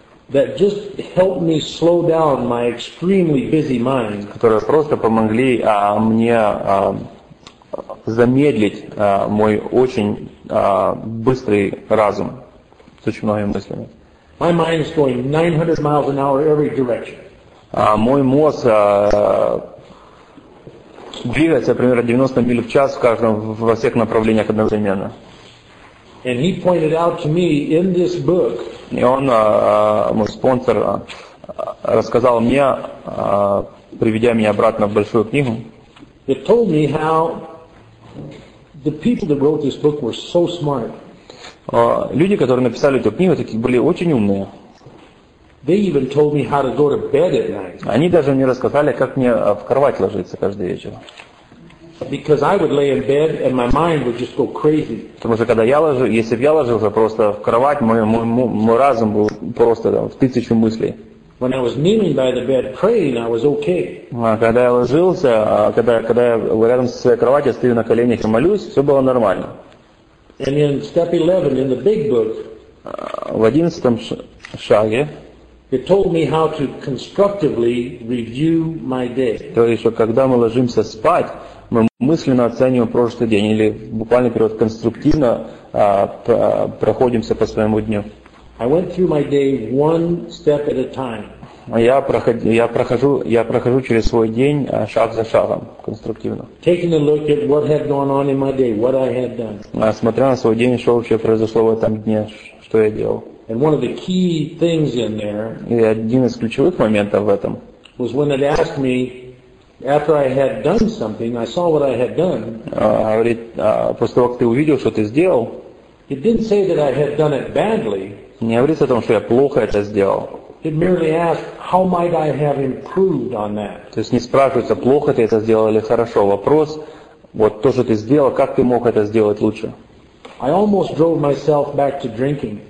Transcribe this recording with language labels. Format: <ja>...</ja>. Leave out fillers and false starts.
<en>That just helped me slow down my extremely busy mind.</en> <ru>Которые просто помогли мне замедлить мой очень быстрый разум с очень многими мыслями.</ru> <en>My mind is going 900 miles an hour every direction.</en> <ru>Мой мозг двигается примерно 90 миль в час в каждом во всех направлениях одновременно.</ru> <en>And he pointed out to me in this book.</en> <ru>И он мой спонсор рассказал мне, приведя меня обратно в большую книгу.</ru> <en>It told me how the people that wrote this book were so smart.</en> <ru>Люди, которые написали эту книгу, такие были очень умные.</ru> <en>They even told me how to go to bed at night.</en> <ru>Они даже мне рассказали, как мне в кровать ложиться каждый вечер.</ru> <en>Because I would lay in bed and my mind would just go crazy.</en> <ru>Потому что когда я ложусь, если бы я ложился просто в кровать, мой разум был просто там, в тысячу мыслей.</ru> <en>When I was kneeling by the bed praying, I was okay.</en> <ru>А когда я ложился, когда я рядом со своей кроватью стою на коленях и молюсь, все было нормально.</ru> <en>And in step 11 in the big book.</en> <ru>В 11-м шаге.</ru> <en>It told me how to constructively review my day.</en> <ru>То есть, что когда мы ложимся спать, мы мысленно оцениваем прошлый день или буквально перед конструктивно проходимся по своему дню.</ru> <en>I went through my day one step at a time.</en> <ru>Я прохожу через свой день шаг за шагом конструктивно.</ru> <en>Taking a look at what had gone on in my day, what I had done.</en> <ru>Смотря на свой день, что вообще произошло в этом дне, что я делал.</ru> <en>And one of the key things in there.</en> <ru>И один из ключевых моментов в этом.</ru> <en>Was when it asked me, after I had done something, I saw what I had done.</en> <ru>Говорит, после того, как ты увидел, что ты сделал.</ru> <en>It didn't say that I had done it badly.</en> <ru>Не говорится о том, что я плохо это сделал.</ru> <en>It merely asked, how might I have improved on that?</en> <ru>То есть не спрашивается, плохо ты это сделал или хорошо. Вопрос, вот то, что ты сделал, как ты мог это сделать лучше?</ru> <en>I almost drove myself back to drinking.</en>